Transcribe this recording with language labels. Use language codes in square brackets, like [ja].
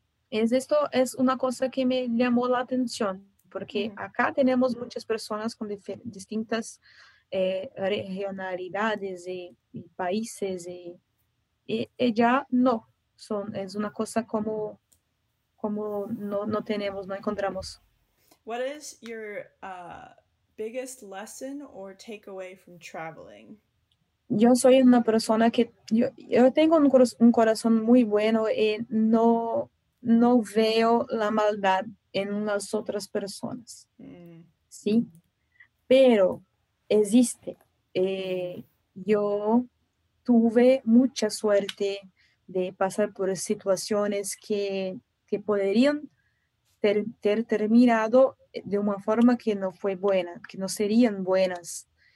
[es] Esto es una cosa que me llamó la atención, porque acá tenemos muchas personas con distintas regionalidades y países. Es una cosa como no tenemos, no encontramos. [en] What is your biggest lesson or takeaway from traveling? [es] Yo soy una persona que yo tengo un corazón muy bueno y no veo la maldad en las otras personas. Sí, pero existe. Yo tuve mucha suerte de pasar por situaciones que podrían ter terminado de una forma que no fue buena, que no serían buenas.